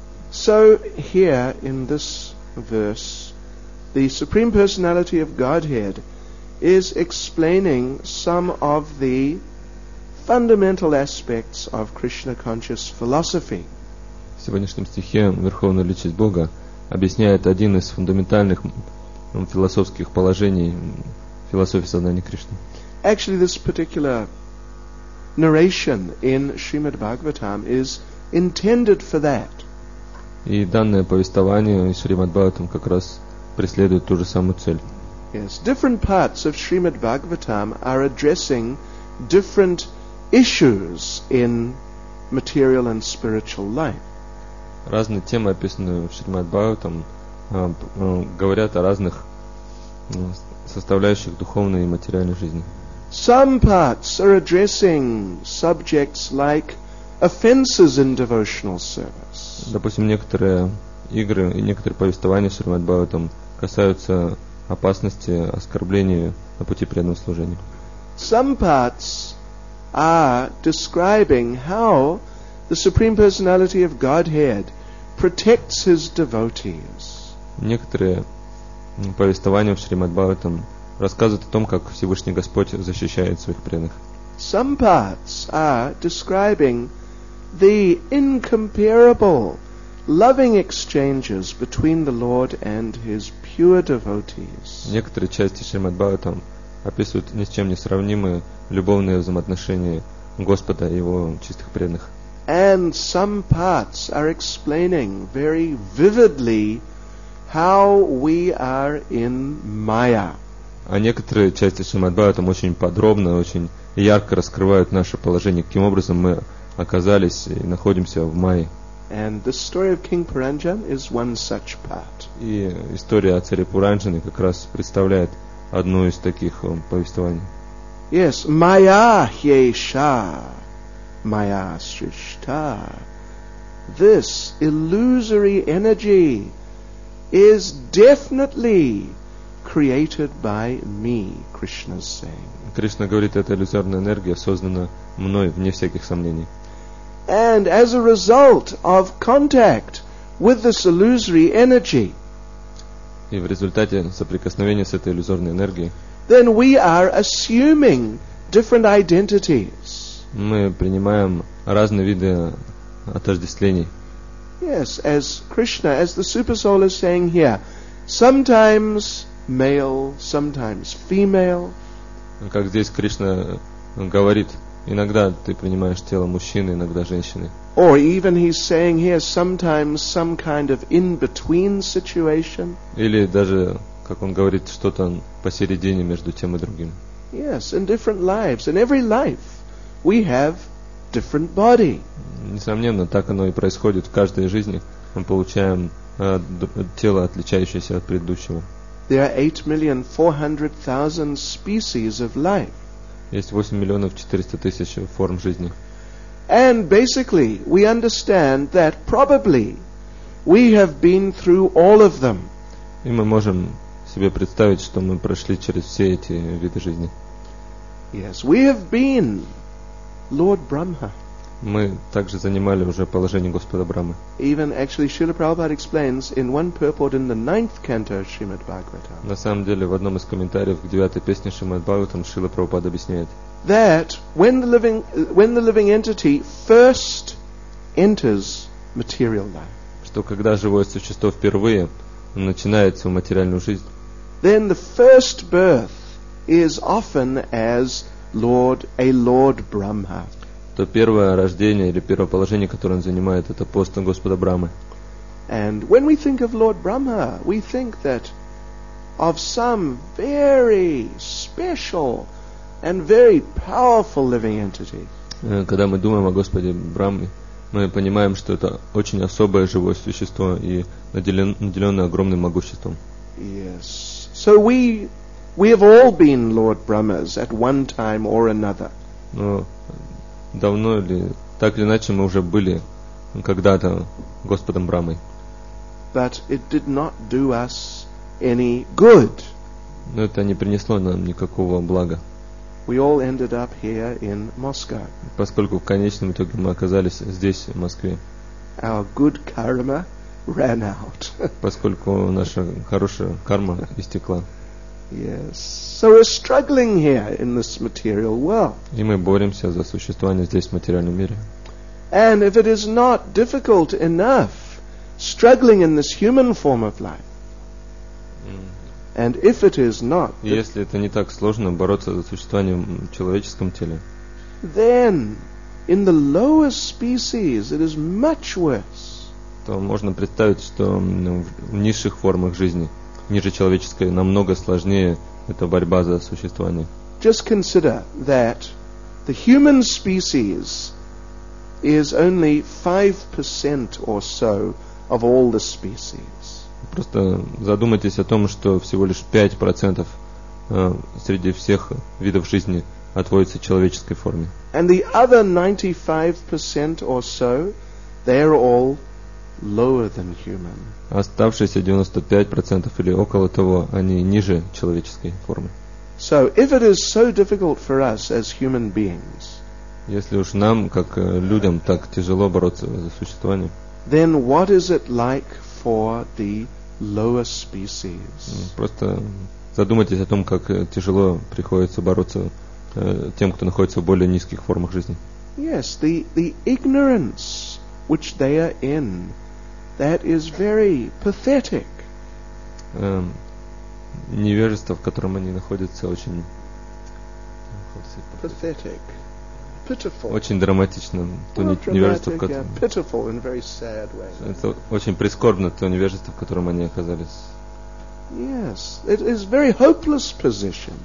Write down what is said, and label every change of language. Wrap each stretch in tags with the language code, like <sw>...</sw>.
<en>So here in this verse, the Supreme Personality of Godhead is explaining some of the fundamental aspects of Krishna conscious philosophy.</en> <ru>В сегодняшнем стихе Верховная Личность Бога объясняет один из фундаментальных философских положений философии сознания Кришны.</ru> <en>Actually, this particular narration in Srimad Bhagavatam is intended for that.</en> <ru>И данное повествование из Шримад Бхагаватам как раз преследует ту же самую цель.</ru> <en>Yes, different parts of Srimad Bhagavatam are addressing different issues in material and spiritual life.</en> <ru>Разные темы, описанные в Шримад Бхагаватам, говорят о разных составляющих духовной и материальной жизни.</ru> <en>Some parts are addressing subjects like offenses in devotional service.</en> <ru>Допустим, некоторые игры и некоторые повествования Шримад Бхагаватам касаются опасности оскорблений на пути преданного служения.</ru> <en>Some parts are describing how the Supreme Personality of Godhead protects his devotees.</en> <ru>Некоторые повествования в Шримад Бхагаватам рассказывают о том, как Всевышний Господь защищает своих преданных.</ru> <en>Some parts are describing the incomparable loving exchanges between the Lord and His pure devotees.</en> <ru>Некоторые части Шримад Бхагаватам описывают ни с чем не сравнимые любовные взаимоотношения Господа и Его чистых преданных.</ru> <en>And some parts are explaining very vividly how we are in Maya.</en> <ru>А некоторые части Шримад-Бхагаватам там очень подробно, очень ярко раскрывают наше положение, каким образом мы оказались и находимся в Майе.</ru> <en>And the story of King Puranjan is one such part.</en> <ru>И история о царе Пуранджане как раз представляет одно из таких повествований.</ru> <sa>Yes, Maya Hyesha, Maya Srishta.</sa> <en>This illusory energy is definitely created by me, Krishna is saying.</en> <ru>Кришна говорит, эта иллюзорная энергия создана мной, вне всяких сомнений.</ru> <en>And as a result of contact with this illusory energy,</en> <ru>и в результате соприкосновения с этой иллюзорной энергией,</ru> <en>then we are assuming different identities.</en> <ru>Мы принимаем разные виды отождествлений.</ru> <en>Yes, as Krishna, as the Super Soul is saying here, sometimes male, sometimes female.</en> <ru>Как здесь Кришна говорит, иногда ты принимаешь тело мужчины, иногда женщины.</ru> <en>Or even he's saying here, sometimes some kind of in-between situation.</en> <ru>Или даже, как он говорит, что-то посередине между тем и другим.</ru> <en>Yes, in different lives, in every life, we have different body.</en> <ru>Несомненно, так оно и происходит. В каждой жизни мы получаем тело, отличающееся от предыдущего.</ru> <en>There are 8,400,000 species of life.</en> <ru>Есть 8,400,000 форм жизни.</ru> <en>And basically, we understand that probably we have been through all of them.</en> <ru>И мы можем себе представить, что мы прошли через все эти виды жизни.</ru> <en>Yes, we have been Lord Brahma.</en> <ru>Мы также занимали уже положение Господа Брахмы.</ru> <en>Even actually, Srila Prabhupada explains in one purport in the ninth canto of Srimad Bhagavatam.</en> <ru>На самом деле, в одном из комментариев к девятой песне Шримад Бхагаватам Шрила Прабхупада объясняет,</ru> <en>that when the living entity first enters material life,</en> <ru>что когда живое существо впервые начинает свою материальную жизнь,</ru> <en>then the first birth is often as a Lord Brahma.</en> <ru>То первое рождение или первое положение, которое он занимает, это пост Господа Брахмы.</ru> <en>And when we think of Lord Brahma, we think that of some very special and very powerful living entity.</en> <ru>Когда мы думаем о Господе Брахме, мы понимаем, что это очень особое живое существо и наделенное огромным могуществом.</ru> <en>Yes. So we have all been Lord Brahmas at one time or another.</en> <ru>Но давно или так или иначе мы уже были когда-то Господом Брахмой.</ru> <en>But it did not do us any good.</en> <ru>Но это не принесло нам никакого блага.</ru> <en>We all ended up here in Moscow.</en> <ru>Поскольку в конечном итоге мы оказались здесь, в Москве.</ru> <en>Our good karma ran out.</en> <ru>Поскольку наша хорошая карма истекла.</ru> <en>Yes. So we're struggling here in this material world.</en> <ru>И мы боремся за существование здесь, в материальном мире.</ru> <en>And if it is not difficult enough struggling in this human form of life. And if it is not,</en> <ru>если это не так сложно бороться за существование в человеческом теле.</ru> <en>Then in the lower species it is much worse.</en> <ru>То можно представить, что в низших формах жизни, ниже человеческой, намного сложнее эта борьба за существование.</ru> <en>Just consider that the human species is only 5% or so of all the species.</en> <ru>Просто задумайтесь о том, что всего лишь 5% среди всех видов жизни отводится человеческой форме.</ru> <en>And the other 95% or so, they are all lower than human.</en> <ru>Оставшиеся 95% или около того, они ниже человеческой формы.</ru> <en>So if it is so difficult for us as human beings,</en> <ru>если уж нам, как людям, так тяжело бороться за существование,</ru> <en>then what is it like for the lower species?</en> <ru>Просто задумайтесь о том, как тяжело приходится бороться тем, кто находится в более низких формах жизни.</ru> <en>Yes, the ignorance which they are in, that is very pathetic.</en> <ru>Невежество, в котором они находятся, очень</ru> <en>pathetic. pitiful.</en> <ru>Очень драматично то невежество, в котором. Это очень прискорбно то невежество, в котором они оказались.</ru> <en>Yes, it is very hopeless position.</en>